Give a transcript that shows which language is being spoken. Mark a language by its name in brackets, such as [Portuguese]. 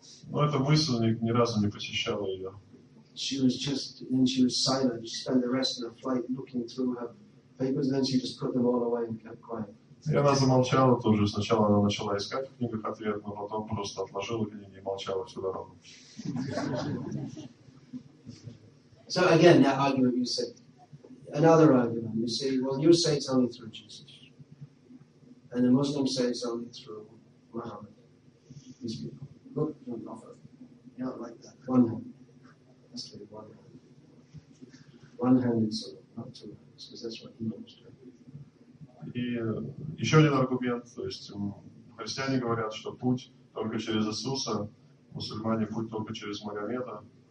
[Russian] Но эта мысль ни разу не посещала ее. [English] She was just, and she was silent. She spent the rest of the flight looking through her papers, and then she just put them all away and kept quiet. [Russian] И она замолчала тоже. Сначала она начала искать в книгах ответ, но потом просто отложила книги и молчала всю дорогу. [English] So again, that argument you said. Another argument. You say, well, you say it's only through Jesus. And the Muslims say it's only through Muhammad. These people. Look, you're not like that. One hand. That's to be one hand. One hand in Salah, not two hands, because that's what he knows. [Russian] И еще один аргумент, то есть христиане говорят, что путь только через Иисуса, мусульмане путь только через Магомеда.